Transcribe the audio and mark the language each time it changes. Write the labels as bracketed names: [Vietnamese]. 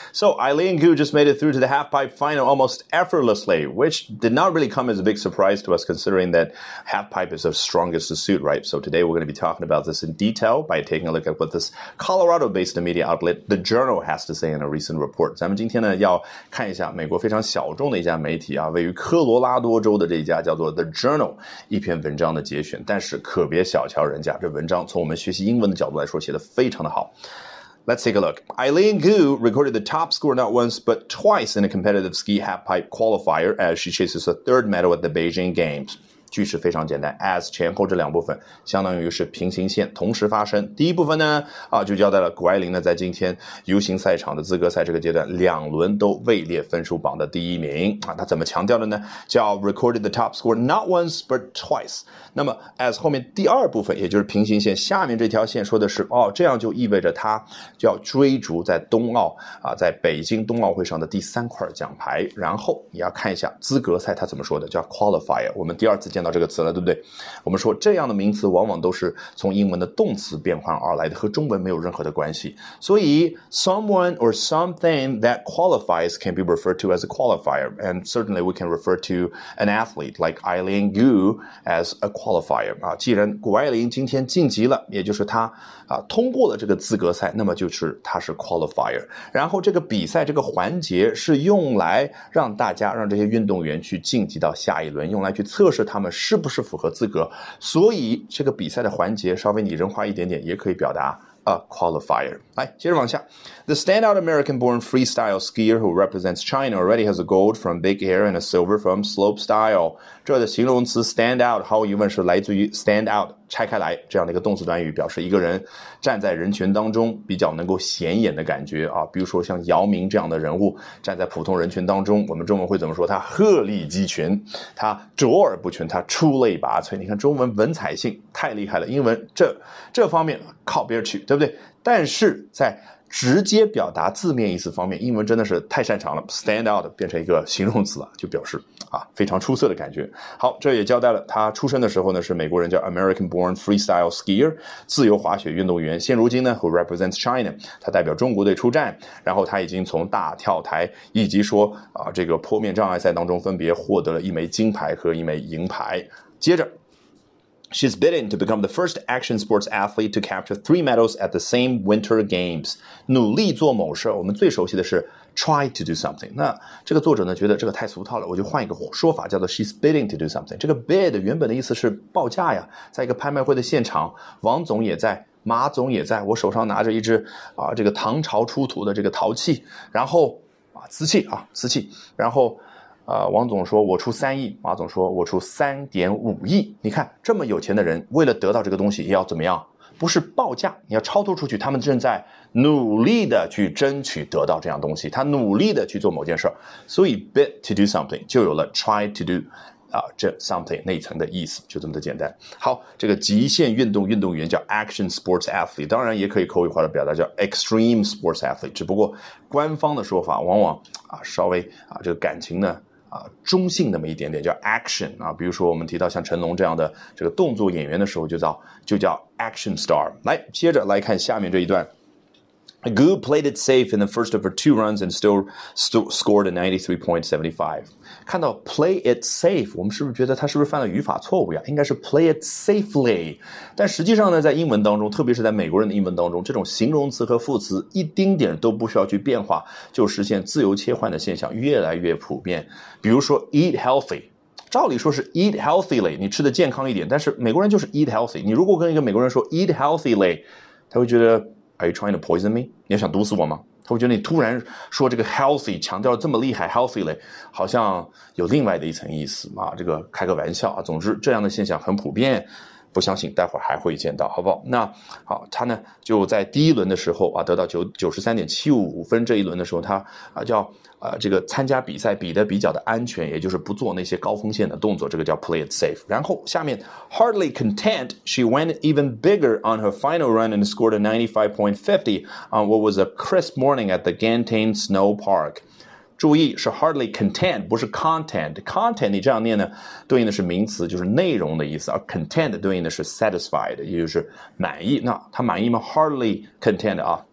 [English] So, Eileen Gu just made it through to the halfpipe final almost effortlessly, which did not really come as a big surprise to us considering that halfpipe is the strongest suit, right? So today we're going to be talking about this in detail by taking a look at what this Colorado-based media outlet, The Journal, has to say in a recent report. [Chinese] 咱们今天呢要看一下美国非常小众的一家媒体啊，位于科罗拉多州的这一家叫做 The Journal 一篇文章的节选，但是可别小瞧人家，这文章从我们学习英文的角度来说写得非常的好。 [English] Let's take a look. Eileen Gu recorded the top score not once but twice in a competitive ski halfpipe qualifier as she chases a third medal at the Beijing Games. [Chinese] 句式非常简单 ，as 前后这两部分相当于是平行线同时发生。第一部分呢，就交代了谷爱凌呢在今天游行赛场的资格赛这个阶段两轮都位列分数榜的第一名啊。他怎么强调的呢？叫 [English] recorded the top score not once but twice。 [Chinese] 那么 as 后面第二部分，也就是平行线下面这条线说的是，这样就意味着他就要追逐在冬奥啊，在北京冬奥会上的第三块奖牌。然后你要看一下资格赛他怎么说的，叫 qualifier。我们第二次。见到这个词了，对不对？我们说这样的名词往往都是从英文的动词变换而来的，和中文没有任何的关系。所以 [English] someone or something that qualifies can be referred to as a qualifier, and certainly we can refer to an athlete like Eileen Gu as a qualifier. [Chinese] 啊，既然谷爱凌今天晋级了，也就是她啊通过了这个资格赛，那么就是她是 qualifier。然后这个比赛这个环节是用来让大家让这些运动员去晋级到下一轮，用来去测试他们是不是符合资格，所以这个比赛的环节稍微拟人化一点点也可以表达 a qualifier。来接着往下， [English] The standout American born freestyle skier who represents China already has a gold from big air and a silver from slopestyle。 [Chinese] 这的形容词 standout 毫无疑问是来自于 standout 拆开来这样的一个动词短语，表示一个人站在人群当中比较能够显眼的感觉啊。比如说像姚明这样的人物站在普通人群当中，我们中文会怎么说？他鹤立鸡群，他卓尔不群，他出类拔萃。你看中文文采性太厉害了，英文这方面靠边去，对不对？但是在直接表达字面意思方面，英文真的是太擅长了， stand out 变成一个形容词了，就表示啊非常出色的感觉。好，这也交代了他出生的时候呢是美国人，叫 [English] American born freestyle skier， [Chinese] 自由滑雪运动员。现如今呢 [English] who represents China， [Chinese] 他代表中国队出战，然后他已经从大跳台以及说啊这个坡面障碍赛当中分别获得了一枚金牌和一枚银牌。接着 [English] She's bidding to become the first action sports athlete to capture three medals at the same Winter Games. [Chinese] 努力做某事，我们最熟悉的是 [English] try to do something. [Chinese] 那这个作者呢觉得这个太俗套了，我就换一个说法，叫做 [English] she's bidding to do something. [Chinese] 这个 bid 原本的意思是报价呀，在一个拍卖会的现场，王总也在，马总也在，我手上拿着一只啊这个唐朝出土的这个陶器，然后啊瓷器，然后。王总说我出3亿，马总说我出3.5亿。你看这么有钱的人为了得到这个东西也要怎么样，不是报价，你要超脱出去，他们正在努力的去争取得到这样东西，他努力的去做某件事，所以 [English] bid to do something [Chinese] 就有了 [English] try to do这 something [Chinese] 那层的意思，就这么的简单。好，这个极限运动员叫 [English] action sports athlete， [Chinese] 当然也可以口语化的表达叫 [English] extreme sports athlete， [Chinese] 只不过官方的说法往往稍微这个感情呢中性那么一点点，叫 action 啊。比如说我们提到像成龙这样的这个动作演员的时候，就叫 action star。来，接着来看下面这一段。 [English] Gu played it safe in the first of her two runs and still scored a 93.75. [Chinese] 看到 [English] play it safe， [Chinese] 我们是不是觉得他是不是犯了语法错误呀？应该是 [English] play it safely。 [Chinese] 但实际上呢，在英文当中，特别是在美国人的英文当中，这种形容词和副词一丁点都不需要去变化，就实现自由切换的现象越来越普遍。比如说 [English] eat healthy。 [Chinese] 照理说是 [English] eat healthily， [Chinese] 你吃的健康一点，但是美国人就是 [English] eat healthy。 [Chinese] 你如果跟一个美国人说 [English] eat healthily， [Chinese] 他会觉得 [English] Are you trying to poison me? [Chinese] 你要想毒死我吗？他会觉得你突然说这个 healthy， 强调这么厉害 healthy 嘞，好像有另外的一层意思嘛。这个开个玩笑啊。总之，这样的现象很普遍，不相信待会儿还会见到，好不好？那好，他呢就在第一轮的时候啊，得到93.75分。这一轮的时候，他叫这个参加比赛比的比较的安全，也就是不做那些高风险的动作，这个叫 [English] play it safe。 [Chinese] 然后下面 [English] hardly content, she went even bigger on her final run and scored a 95.50 on what was a crisp morning at the Gantin Snow Park。 [Chinese] 注意是 [English] hardly content， [Chinese] 不是 content。 content 你这样念呢，对应的是名词，就是内容的意思，而 content 对应的是 satisfied， 也就是满意。那他满意吗？ [English] hardly content [Chinese] 啊，